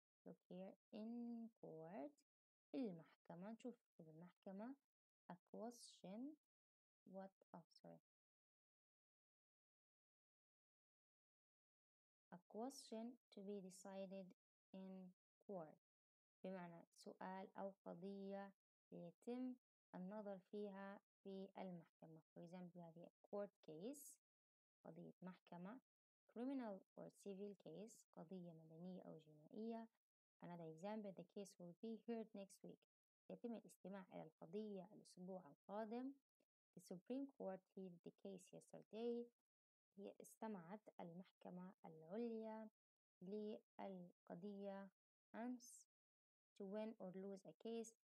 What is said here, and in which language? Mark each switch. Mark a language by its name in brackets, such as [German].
[English] Look here, in court, [Arabic] في المحكمة, نشوف في المحكمة, [English] a question, what, oh, sorry, a question to be decided in court, [Arabic] بمعنى سؤال أو قضية يتم النظر فيها في المحكمة. [English] For example, هذه a court case, [Arabic] قضية محكمة, [English] criminal or civil case, [Arabic] قضية مدنية أو جنائية. [English] Another example, the case will be heard next week. [Arabic] يتم الاستماع إلى القضية الأسبوع القادم. [English] The Supreme Court heard the case yesterday. [Arabic] هي استمعت المحكمة العليا للقضية أمس. [English] To win or lose a case.